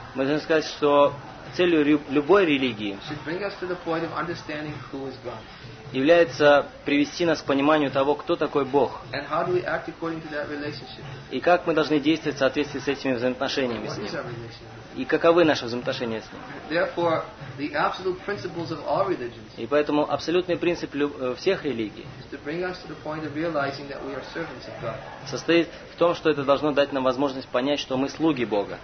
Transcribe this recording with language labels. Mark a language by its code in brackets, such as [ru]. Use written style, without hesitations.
[ru] Мы должны сказать, что целью любой религии [en] should bring us to the point of understanding who is God. [ru] Является привести нас к пониманию того, кто такой Бог. [en] And how do we act according to that relationship? [ru] И как мы должны действовать в соответствии с этими взаимоотношениями с Ним. [en] What is our relationship? [ru] И каковы наши взаимоотношения с Ним. [en] Therefore, the absolute principles of all religions. [ru] И поэтому абсолютный принцип всех религий [en] is to bring us to the point of realizing that we are servants of God. [ru] Состоит в том, что это должно дать нам возможность понять, что мы слуги Бога.